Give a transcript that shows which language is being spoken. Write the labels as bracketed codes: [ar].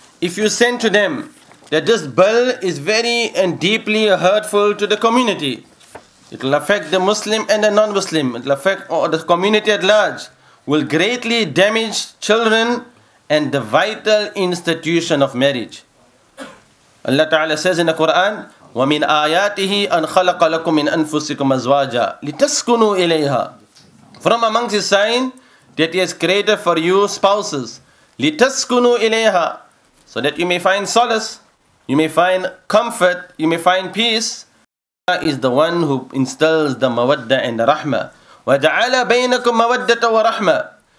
[en] If you send to them that this bill is very and deeply hurtful to the community, it will affect the Muslim and the non-Muslim, it will affect the community at large, will greatly damage children and the vital institution of marriage. Allah Ta'ala says in the Quran, [ar] وَمِنْ آيَاتِهِ أَنْ خَلَقَ لَكُمْ مِنْ أَنفُسِكُمْ أَزْوَاجًا لِتَسْكُنُوا إِلَيْهَا. [en] From amongst his sign that he has created for you spouses, [ar] لِتَسْكُنُوا إِلَيْهَا, [en] so that you may find solace, you may find comfort, you may find peace. Allah is the one who instills the mawadda and the rahmah. [ar] وَجَعَلَ بَيْنَكُمْ مَوَدَّةً وَرَحْمَةً.